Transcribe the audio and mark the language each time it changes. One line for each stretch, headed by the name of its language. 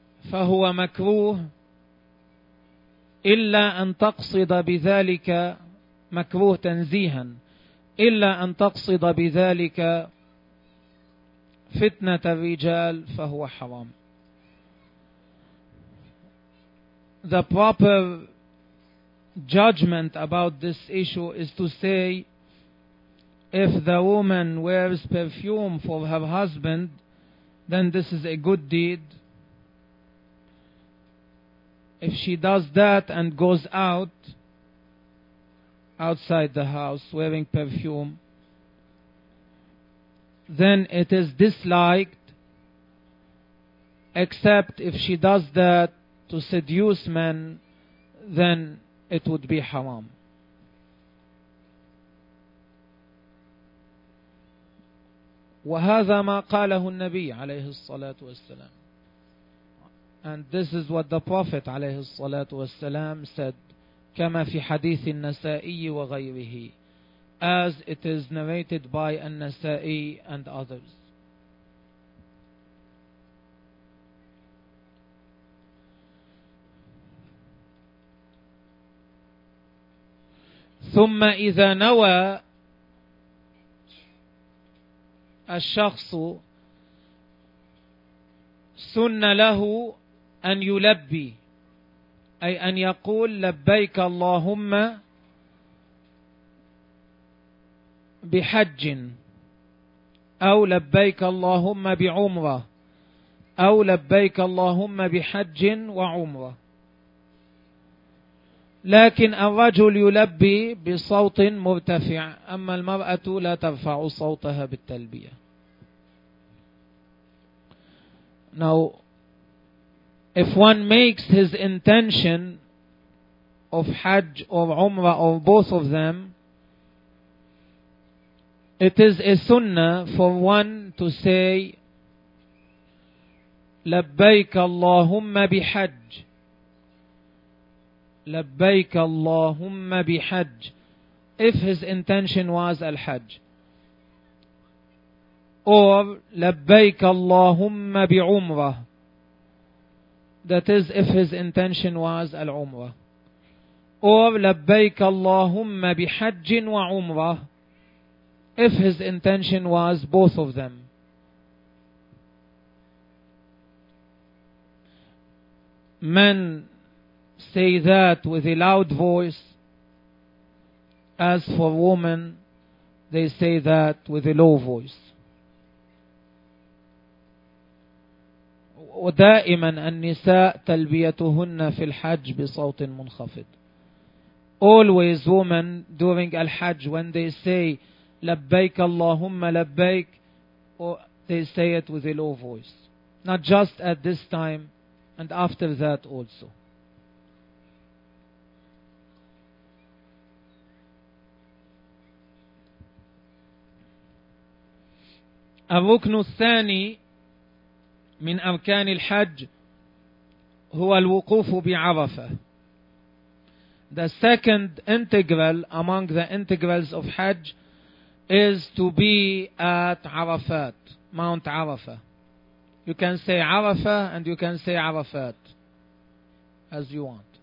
Arabic: فهو مكروه، إلا أن تقصد بذلك مكروه تنزيها، إلا أن تقصد بذلك فتنة الرجال فهو حرام.
English: The proper judgment about this issue is to say if the woman wears perfume for her husband, then this is a good deed. If she does that and goes outside the house wearing perfume, then it is disliked, except if she does that to seduce men, then it would be haram.
Arabic: وهذا ما قاله النبي عليه الصلاة والسلام.
English: And this is what the Prophet
Arabic: عليه الصلاة والسلام
English: said,
Arabic: كما في حديث النسائي وغيره,
English: as it is narrated by النسائي and others.
Arabic: ثم إذا نوى الشخص سن له أن يلبي، أي أن يقول لبيك اللهم بحج، أو لبيك اللهم بعمرة، أو لبيك اللهم بحج وعمرة. لكن الرجل يلبي بصوت مرتفع، أما المرأة لا ترفع صوتها بالتلبية.
English: Now, if one makes his intention of Hajj or Umrah or both of them, it is a sunnah for one to say,
Arabic: لبيك اللهم بحج، لبيك اللهم بحج،
English: if his intention was الحج.
Arabic: Or لبيك اللهم بعمرة.
English: That is if his intention was العمرة.
Arabic: Or لبيك اللهم بحج وعمرة.
English: If his intention was both of them. Men say that with a loud voice. As for women, they say that with a low voice.
Arabic: ودائما النساء تلبيتهن في الحج بصوت منخفض.
English: Always women during الحج when they say
Arabic: لبيك اللهم لبيك,
English: they say it with a low voice. Not just at this time and after that also.
Arabic: الركن الثاني من أركان الحج هو الوقوف بعرفة.
English: The second integral among the integrals of Hajj is to be at Arafat, Mount Arafah. You can say Arafah and you can say Arafat as you want.